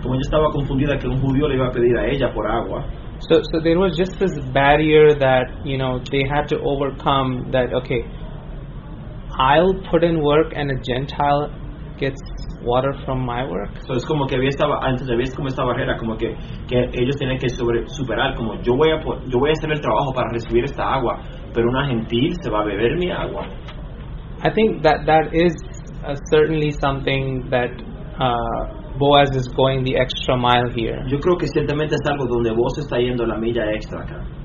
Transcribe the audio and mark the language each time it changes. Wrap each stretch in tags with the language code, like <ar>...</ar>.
<es>Como ella estaba confundida que un judío le iba a pedir a ella por agua.</es> <en>So there was just this barrier that, you know, they had to overcome that, okay, I'll put in work and a Gentile gets water from my work.</en> <es>So es como que había estaba antes había como esta barrera como que ellos tienen que superar como yo voy a hacer el trabajo para recibir esta agua, pero una gentil se va a beber mi agua.</es> <en>I think that is certainly something that Boaz is going the extra mile here.</en> <es>Yo creo que ciertamente es algo donde Boaz está yendo la milla extra acá.</es>